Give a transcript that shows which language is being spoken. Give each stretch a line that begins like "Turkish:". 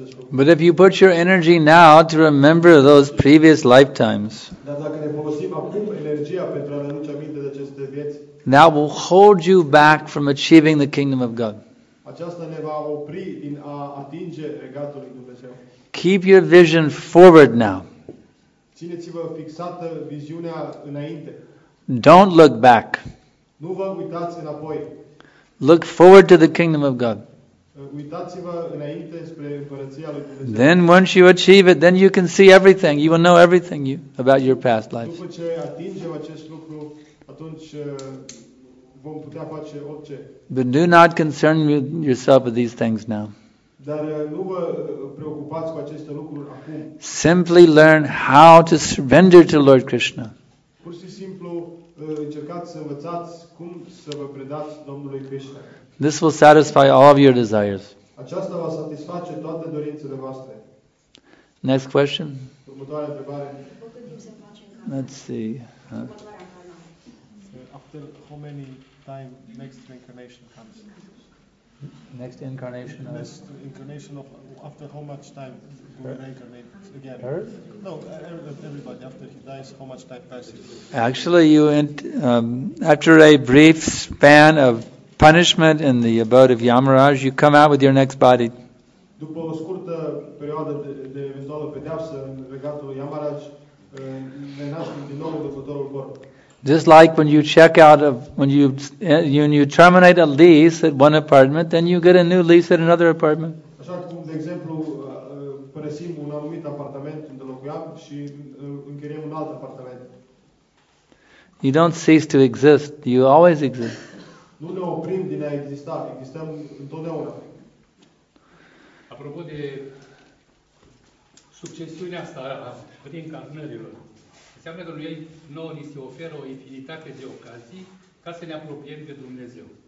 English: But if you put your energy now to remember those previous lifetimes, that will hold you back from achieving the kingdom of God.
Romanian: Aceasta ne va opri din a atinge regatul lui Dumnezeu.
English: Keep your vision forward now.
Romanian: Țineți-vă fixată viziunea înainte.
English: Don't look back.
Romanian: Nu vă uitați înapoi.
English: Look forward to the kingdom of God.
Romanian: Uitați-vă înainte spre împărăția lui Dumnezeu.
English: Then once you achieve it, then you can see everything. You will know everything about your past life.
Romanian: După ce atingem acest lucru, atunci vom putea face orice.
English: But do not concern yourself with these things now.
Romanian: Dar nu vă preocupați cu aceste lucruri acum.
English: Simply learn how to surrender to Lord Krishna.
Romanian: Pur și simplu încercați să învățați cum să vă predați Domnului Krishna.
English: This will satisfy all of your desires.
Romanian: Aceasta va satisface toate dorințele voastre.
English: Next question.
Romanian: Următoarea întrebare.
English: Let's see. After how many time next reincarnation comes? Next incarnation? Next incarnation of after how much time do we reincarnate again? Earth? No, everybody after he dies, how much time passes? Actually, you after a brief span of punishment in the abode of Yamaraj, you come out with your next body.
Romanian: După o scurtă perioadă de eventuală pedeapsă în regatul Yamaraj, ne naștem din nou învățătorul corp.
English: Just like when you check out of when you terminate a lease at one apartment, then you get a new lease at another apartment.
Romanian: Așa cum, de exemplu, părăsim un anumit apartament unde locuiam și închiriem un alt apartament.
English: You don't cease to exist, you always exist.
Romanian: Nu ne oprim din a exista, existăm întotdeauna. Apropo de succesiunea asta a reîncarnărilor, înseamnă că lui El nouă ni se oferă o infinitate de ocazii ca să ne apropiem de Dumnezeu.